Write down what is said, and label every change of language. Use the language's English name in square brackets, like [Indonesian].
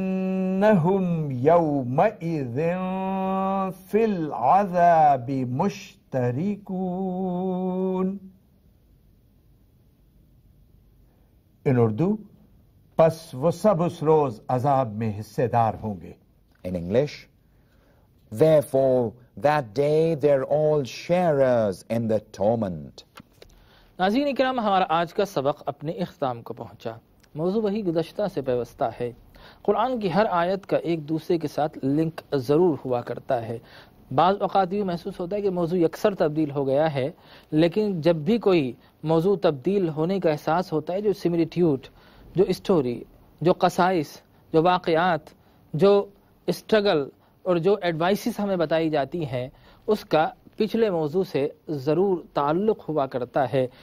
[Arabic] فَإِنَّهُمْ يَوْمَئِذٍ فِي الْعَذَابِ مُشْتَرِكُونَ [English] ان اردو [Urdu] بس وہ سب اس روز عذاب میں حصے دار ہوں گے. [English] In English, therefore, that day they're all sharers in the torment. [Urdu] ناظرین اکرام, ہمارا آج کا سبق اپنے اختتام کو پہنچا. موضوع وہی گزشتہ سے پیوستہ ہے. قرآن کی ہر آیت کا ایک دوسرے کے ساتھ لنک ضرور ہوا کرتا ہے. بعض اوقات یوں محسوس ہوتا ہے کہ موضوع اکثر تبدیل ہو گیا ہے, لیکن جب بھی کوئی موضوع تبدیل ہونے کا احساس ہوتا ہے, جو سملیٹیوڈ, جو اسٹوری, جو قصائص, جو واقعات, جو اسٹرگل اور جو ایڈوائسز ہمیں بتائی جاتی ہیں, اس کا پچھلے موضوع سے ضرور تعلق ہوا کرتا ہے.